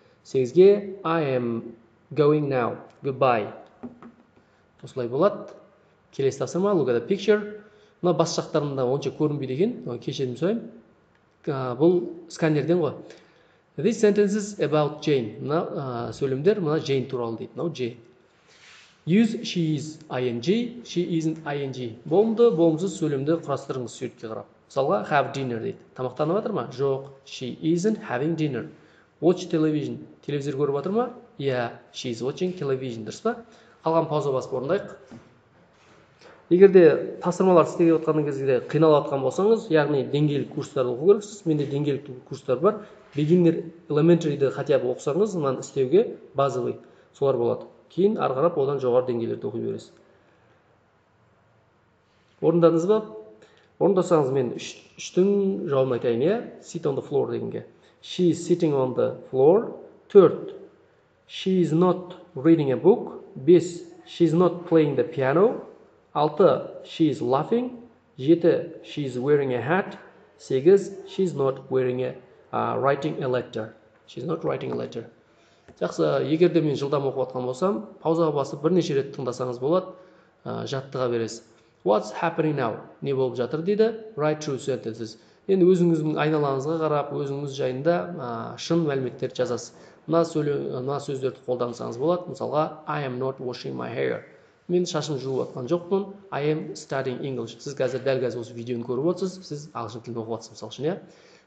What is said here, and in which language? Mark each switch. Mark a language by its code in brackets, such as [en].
[en] Сегізге, I am going now. Goodbye. [kk] Осылай болады. Келесі тапсырма, [en] look at the picture. [kk] Мына бас жақтарында онша көрінбейді екен, оны кешірім сұраймын. Бұл сканерден ғой. [en] These sentences about Jane. [kk] Мына сөйлемдер мына Jane туралы дейді. [en] Now Jane. Use she is ing, she isn't ing. [kk] Болымды, болымсыз сөйлемді құрастырыңыз суретке қарап. Мысалға have dinner дейді. Тамақтанып жатыр ма? Жоқ. [en] She isn't having dinner. Watch television. [kk] Телевизор көріп жатыр ма? [en] Yeah, she is watching television. [kk] Дұрыс па? Қалған пауза басып орындайық. Егер де тапсырмалар істеп отқан кезде қиналып отқан болсаңыз, яғни деңгейлік курстар оқу керексіз. Менде деңгейлік курстар бар. Beginner elementary-ді хотя бы оқысаңыз, мынан істеуге базовый солар болады. Кейін ары қарап одан жоғары деңгейлерді оқи бересіз. Орындадыңыз ба? Орындасаңыз мен 3-тің жауабын айтайын, иә? [en] Sit on the floor дегенге. She is sitting on the floor. 4. She is not reading a book. 5. She is not playing the piano. 6. She is laughing. 7. She is wearing a hat. 8. She is not wearing a writing a letter. She is not writing a letter. [kk] Жақсы, егер де мен жылдам оқып отқан болсам, паузаға басып бірнеше рет тыңдасаңыз болады, жаттыға бересіз. [en] What's happening now? [kk] Не болып жатыр дейді? [en] Write true sentences. [kk] Енді өзіңіздің айналаңызға қарап, өзіңіз жайында шын мәліметтер жазасыз. Мына сөздерді қолдансаңыз болады. [en] Мысалға, I am not washing my hair. [kk] Мен шашым жуып отқан жоқпын. [en] I am studying English. [kk] Сіз қазір дәл қазір осы видеоны көріп отырсыз. Сіз ағылшын тілін оқып отырсыз мысалы үшін, иә?